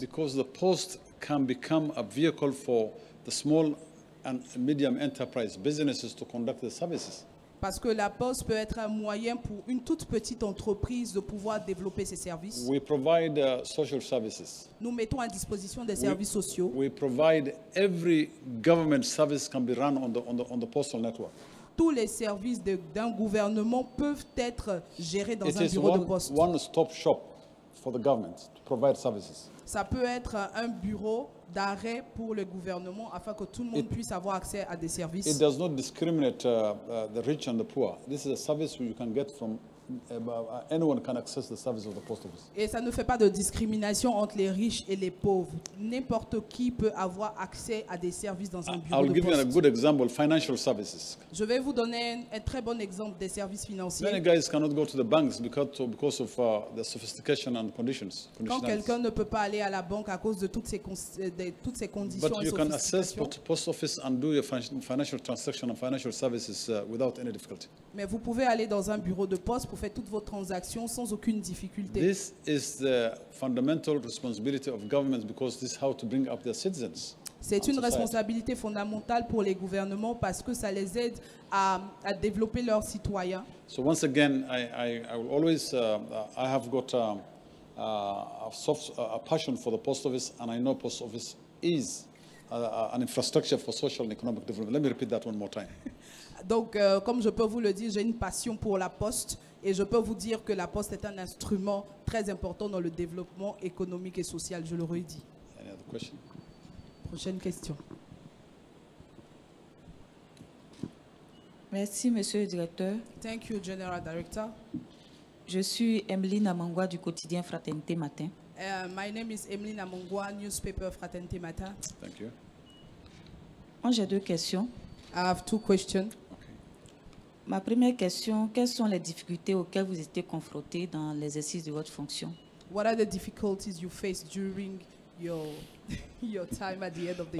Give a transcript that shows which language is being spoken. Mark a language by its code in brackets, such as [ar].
[en] Because the post can become a vehicle for the small and medium enterprise businesses to conduct the services. [fr] Parce que la poste peut être un moyen pour une toute petite entreprise de pouvoir développer ses services. [en] We provide social services. [fr] Nous mettons à disposition des services sociaux. [en] We provide every government service can be run on the postal network. [fr] Tous les services d'un gouvernement peuvent être gérés dans un bureau de poste. [en] It is one stop shop for the government to provide services. [fr] Ça peut être un bureau d'arrêt pour le gouvernement afin que tout le monde puisse avoir accès à des services. [en] It does not discriminate the rich and the poor. This is a service you can get from anyone can access the service of the post office. [fr] Et ça ne fait pas de discrimination entre les riches et les pauvres. N'importe qui peut avoir accès à des services dans un bureau de poste. [en] I'll give you a good example, financial services. [fr] Je vais vous donner un très bon exemple des services financiers. [en] Many guys cannot go to the banks because of the sophistication and conditions. [fr] Quand quelqu'un ne peut pas aller à la banque à cause de toutes ces conditions. [en] But you can access the post office and do your financial transaction and financial services without any difficulty. [fr] Mais vous pouvez aller dans un bureau de poste pour faire toutes vos transactions sans aucune difficulté. [en] This is the fundamental responsibility of governments because this is how to bring up their citizens. [fr] C'est une responsabilité fondamentale pour les gouvernements parce que ça les aide à développer leurs citoyens. [en] So once again, I will always I have got a passion for the post office and I know post office is an infrastructure for social and economic development. Let me repeat that one more time. [fr] Donc, comme je peux vous le dire, j'ai une passion pour la poste et je peux vous dire que la poste est un instrument très important dans le développement économique et social. Je le redis. [en] Any other question? [fr] Prochaine question. Merci, monsieur le directeur. [en] Thank you, General Director. [fr] Je suis Emeline Amangwa du quotidien Fraternité Matin. [en] My name is Emeline Amangwa, newspaper Fraternité Matin. Thank you. [fr] Moi, j'ai deux questions. [en] I have two questions. [fr] Ma première question, quelles sont les difficultés auxquelles vous étiez confronté dans l'exercice de votre fonction? [en] What are the difficulties you faced during your time at the end of the